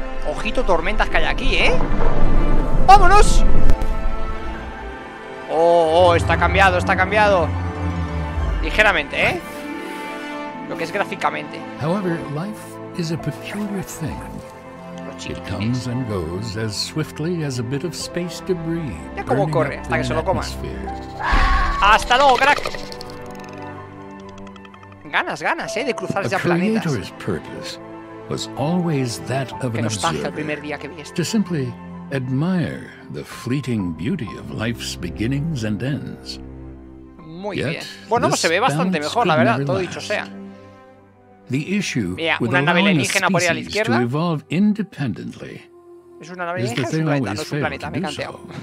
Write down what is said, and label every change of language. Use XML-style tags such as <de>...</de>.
<es>Ojito, tormentas que hay aquí, ¿eh? ¡Vámonos! ¡Oh, oh! Está cambiado, está cambiado. Ligeramente, ¿eh? Lo que es gráficamente.</es> <en>However, life is a peculiar thing. It comes and goes as swiftly as a bit of space debris.</en> <es>Ya cómo corre, hasta que se lo coman. ¡Hasta luego, crack! Ganas, ganas, de cruzar ya planetas.</es> <en>Purpose was always that of an observer. To simply admire the fleeting beauty of life's beginnings and ends.</en> <es>Muy yet, bien. Bueno, se ve bastante mejor, la verdad, todo dicho sea.</es> <en>The issue with allowing a species to evolve independently</en> <es>es una nave</es> <en>is that they always fail to do so.</en>